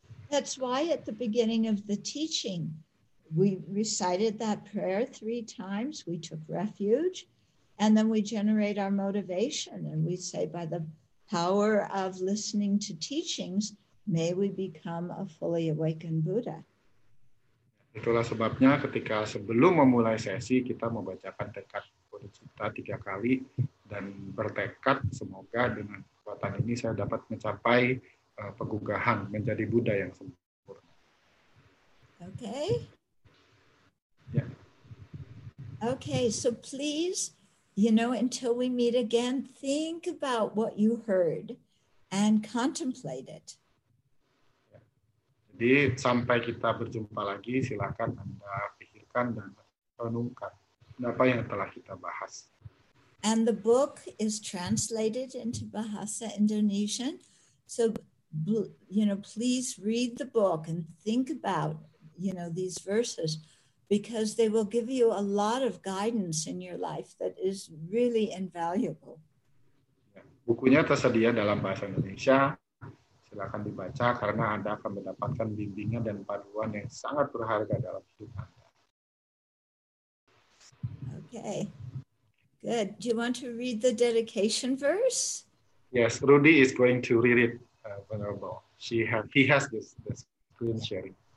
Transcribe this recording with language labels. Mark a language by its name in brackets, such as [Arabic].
[English] That's why at the beginning of the teaching, we recited that prayer 3 times, we took refuge, and then we generate our motivation, and we say, by the power of listening to teachings, may we become a fully awakened Buddha. [Indonesian] Itulah sebabnya ketika sebelum memulai sesi, kita membacakan tekad bodhicitta 3 kali, dan bertekad semoga dengan kekuatan ini saya dapat mencapai pegugahan menjadi Buddha yang sempurna. [English] Okay. [Indonesian] Ya. [English] Okay, so please, you know, until we meet again, think about what you heard and contemplate it. [Indonesian] Ya. Jadi sampai kita berjumpa lagi, silakan Anda pikirkan dan renungkan apa yang telah kita bahas. [English] And the book is translated into Bahasa Indonesian. So, you know, please read the book and think about, you know, these verses, because they will give you a lot of guidance in your life that is really invaluable. [Indonesian] Bukunya tersedia dalam bahasa Indonesia. Silakan dibaca karena Anda akan mendapatkan bimbingan dan panduan yang sangat berharga dalam hidup Anda. [English] Okay. Good. Do you want to read the dedication verse? Yes, Rudy is going to read it, Venerable. He has this screen sharing.